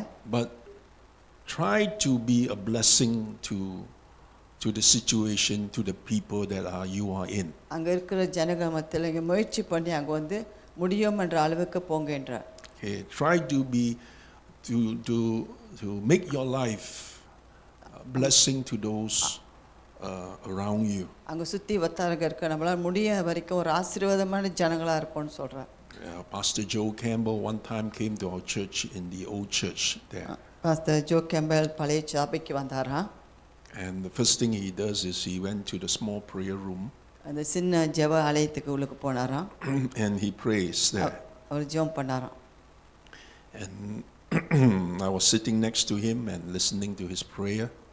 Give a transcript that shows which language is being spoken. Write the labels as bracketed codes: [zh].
[en] But try to be a blessing to the situation, to the people that you are in. Okay, try to make your life a blessing to those around you. [ta] அங்க சுத்தி வட்டாரங்கர்க்க நம்மள முடிய வரைக்கும் ஒரு ஆசீர்வாதமான ஜனங்களா இருப்போம்னு சொல்றார். [en] Pastor Joe Campbell one time came to our church in the old church there. [ta] Pastor Joe Campbell பழைய சபைக்கு வந்தாராம். [en] And the first thing he does is he went to the small prayer room. [ta] அந்த சின்ன ஜெப ஆலயத்துக்கு உள்ளுக்கு போனாராம். [en] And he prays there. [ta] அவர் ஜெபம் பண்ணாராம். [en] And I was sitting next to him and listening to his prayer.